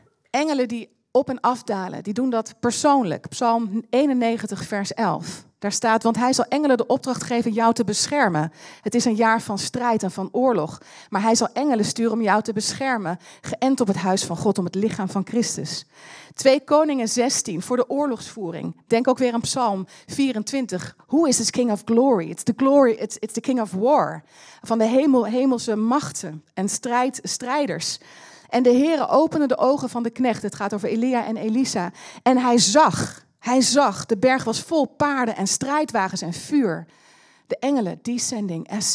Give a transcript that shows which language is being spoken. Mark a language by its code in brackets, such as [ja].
[nl] Engelen die op en afdalen, die doen dat persoonlijk. Psalm 91, vers 11. Daar staat: want hij zal engelen de opdracht geven jou te beschermen. Het is een jaar van strijd en van oorlog. Maar hij zal engelen sturen om jou te beschermen. Geënt op het huis van God, om het lichaam van Christus. 2 Koningen 16, voor de oorlogsvoering. Denk ook weer aan Psalm 24. [en] Who is this king of glory? It's the glory, it's the king of war. [nl] Van de hemelse machten en strijders. En de Heere opende de ogen van de knecht. Het gaat over Elia en Elisa. En hij zag, de berg was vol paarden en strijdwagens en vuur. De engelen, descending.